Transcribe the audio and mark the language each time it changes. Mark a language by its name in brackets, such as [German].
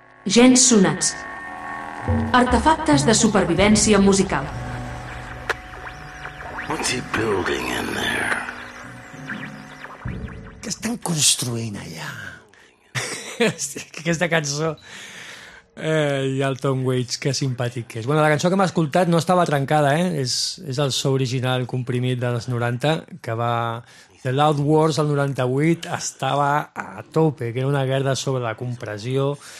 [Catalan] Gens sonats. Artefactes de supervivència musical. [English] What's he building in there? [Catalan] Què estan construint allà? Aquesta cançó. I el Tom Waits, que simpàtic que és. Bueno, la cançó que hem escoltat no estava trencada, eh? És el so original comprimit dels 90, que va... The Loud Wars, el 98, estava a tope, que era una guerra sobre la compressió...